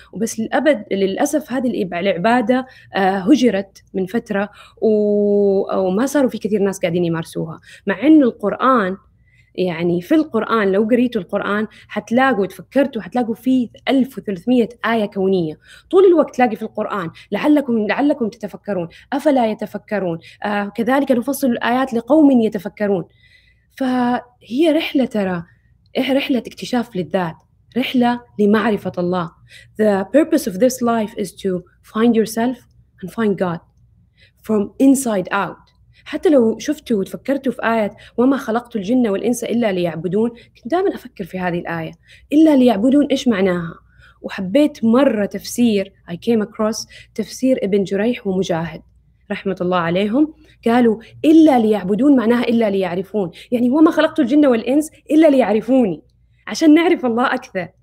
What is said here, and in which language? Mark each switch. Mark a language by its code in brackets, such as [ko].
[ar] وبس للأبد للأسف هذه العبادة هجرت من فترة وما صاروا في كثير ناس قاعدين يمارسوها، مع أنه القرآن يعني في القرآن لو قريتوا القرآن حتلاقوا وتفكرتوا حتلاقوا فيه 1300 آية كونية طول الوقت. تلاقي في القرآن لعلكم تتفكرون، أفلا يتفكرون، كذلك نفصل الآيات لقوم يتفكرون. فهي رحلة، ترى رحلة اكتشاف للذات، رحلة لمعرفة الله. [en] The purpose of this life is to find yourself and find God from inside out. [ar] حتى لو شفتوا وتفكرتوا في آية وما خلقت الجن والإنس إلا ليعبدون، كنت دائما أفكر في هذه الآية إلا ليعبدون، إيش معناها؟ وحبيت مرة تفسير I came across تفسير ابن جريح ومجاهد رحمة الله عليهم، قالوا إلا ليعبدون معناها إلا ليعرفون، يعني وما خلقت الجن والإنس إلا ليعرفوني، عشان نعرف الله أكثر.